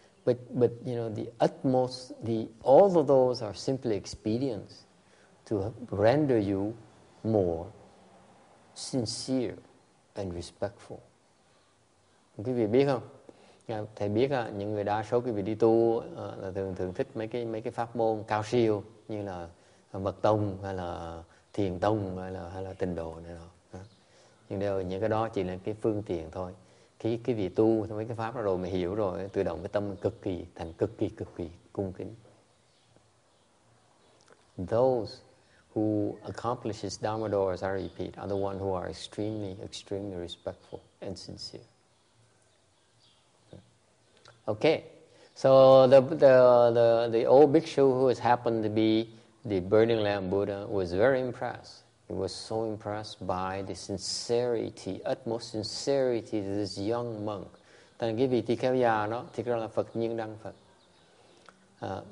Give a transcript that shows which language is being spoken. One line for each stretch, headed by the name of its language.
English: But you know, the utmost, the all of those are simply expedients to render you more sincere and respectful.
Vietnamese: Quý vị biết không? Thầy biết những người đa số quý vị đi tu là thường thường thích mấy cái pháp môn cao siêu như là mật tông hay là thiền tông hay là tịnh độ này đó. Nhưng đều những cái đó chỉ là cái phương tiện thôi. Khi cái vị tu mấy cái pháp đó rồi mà hiểu rồi, tự động cái tâm cực kỳ cung kính.
English: Those who accomplishes Dhammadors, I repeat, are the one who are extremely respectful and sincere. Okay, so the old bhikshu who has happened to be the burning lamp Buddha was very impressed. He was so impressed by the sincerity, utmost sincerity of this young monk.
Vietnamese: Tại vì tỳ kheo già đó, thì ra là Phật nhiên đăng Phật.